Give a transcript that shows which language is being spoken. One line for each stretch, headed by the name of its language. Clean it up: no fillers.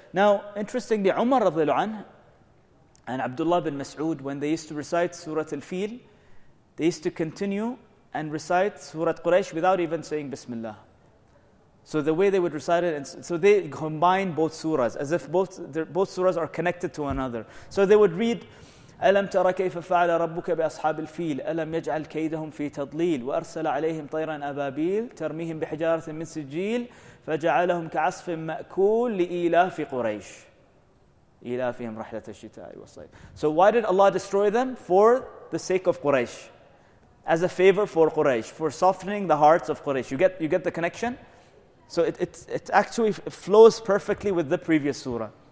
English: Now, interestingly, Umar radiallahu anhu and Abdullah bin Mas'ud, when they used to recite Surah Al-Fil, they used to continue and recite Surah Quraysh without even saying Bismillah. So the way they would recite it, and so they combine both surahs, as if both surahs are connected to another. So they would read,
Arabic: أَلَمْ تَرَ كَيْفَ فَعَلَ رَبُّكَ بِأَصْحَابِ الْفِيلِ أَلَمْ يَجْعَلْ كَيْدَهُمْ فِي تَضْلِيلِ وَأَرْسَلَ عَلَيْهِمْ طَيْرًا أَبَابِيلَ تَرْمِيهِمْ بِحِجَارَةٍ مِنْ سِجِّيلٍ فَجَعَلَهُمْ كَعَصْفٍ مَأْكُولٍ لِإِيلَافِ قُرَيْشٍ إِيلَافِهِمْ رَحْلَةَ الشِّتَاءِ وَالصَّيْفِ.
English: So why did Allah destroy them? For the sake of Quraysh. As a favor for Quraysh. For softening the hearts of Quraysh. You get the connection? So it actually flows perfectly with the previous surah.